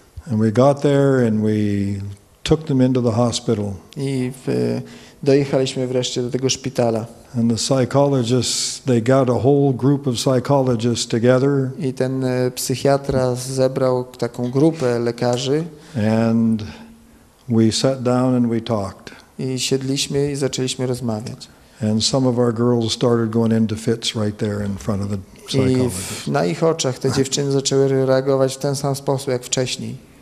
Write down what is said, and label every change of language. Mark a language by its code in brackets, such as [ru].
[en] And we got there and we took them into the hospital. [pl] I dojechaliśmy wreszcie do tego szpitala. [en] And the psychologists, they got a whole group of psychologists together. [pl] I ten psychiatra zebrał taką grupę lekarzy. [en] And we sat down and we talked. [pl] I siedliśmy i zaczęliśmy rozmawiać. [en] And some of our girls started going into fits right there in front of the psychologist. [pl] I na ich oczach te dziewczyny zaczęły reagować w ten sam sposób jak wcześniej.